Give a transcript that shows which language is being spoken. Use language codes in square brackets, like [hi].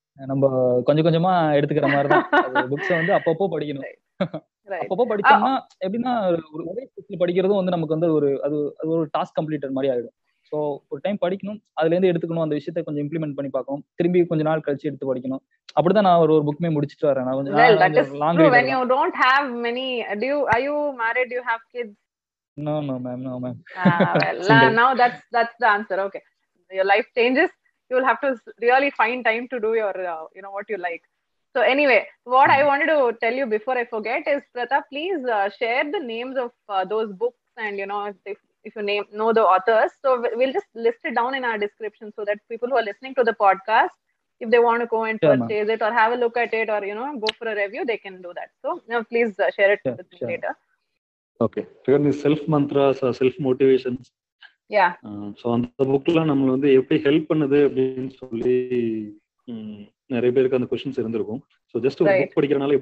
[ta] நம்ம கொஞ்சம் கொஞ்சமா எடுத்துக்கிற மாதிரி தான் புக்ஸ் வந்து அப்பப்போ படிக்கணும் அப்பப்போ படிச்சோம்னா எப்படின்னா ஒரு ஒரே புக்ஸ் படிக்கிறதும் வந்து நமக்கு வந்து ஒரு அது அது ஒரு டாஸ்க் கம்ப்ளீட்டட் மாதிரி ஆகிடும் ஸோ ஒரு டைம் படிக்கணும் அதுல இருந்து எடுத்துக்கணும் அந்த விஷயத்த கொஞ்சம் இம்ப்ளிமெண்ட் பண்ணி பார்க்கணும் திரும்பி கொஞ்ச நாள் கழிச்சு எடுத்து படிக்கணும் அப்படிதான் நான் ஒரு புக்குமே முடிச்சுட்டு வரேன் கொஞ்சம் நாள் long [en] when you don't have many do you are you married do you have kids no ma'am well, now that's the answer okay your life changes you will have to really find time to do your you know what you like so anyway what I wanted to tell you before I forget is Pratha please share the names of those books and you know if you name know the authors so we'll just list it down in our description so that people who are listening to the podcast if they want to go and purchase it or have a look at it or you know go for a review they can do that so you know, please share it with me later okay so the self mantras or self motivations [ta] கோயிலுக்கு போக மாட்டாங்க சர்ச்சுக்கு போக